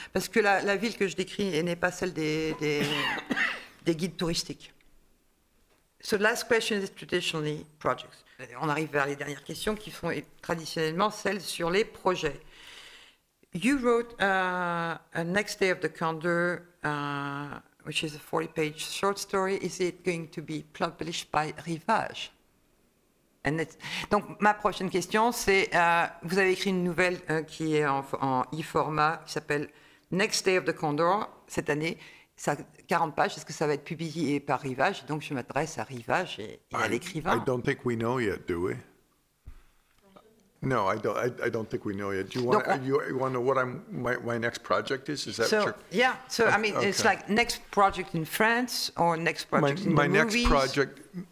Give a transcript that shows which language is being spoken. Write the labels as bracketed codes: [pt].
[fr] Parce que la ville que je décris n'est pas celle des guides touristiques. [en] So the last question is traditionally projects. [fr] On arrive vers les dernières questions qui sont traditionnellement celles sur les projets. [en] You wrote A Next Day of the Condor, which is a 40-page short story. Is it going to be published by Rivage? [fr] Donc ma prochaine question, c'est vous avez écrit une nouvelle qui est en e-format qui s'appelle Next Day of the Condor cette année. Ça, 40 pages, est-ce que ça va être publié par Rivage? Donc je m'adresse à Rivage et à l'écrivain. [en] I don't think we know yet, do we? No, I don't. I don't think we know yet. Do you want to know what my next project is? Is that so? Okay. It's like next project in France or next project in movies. My next project.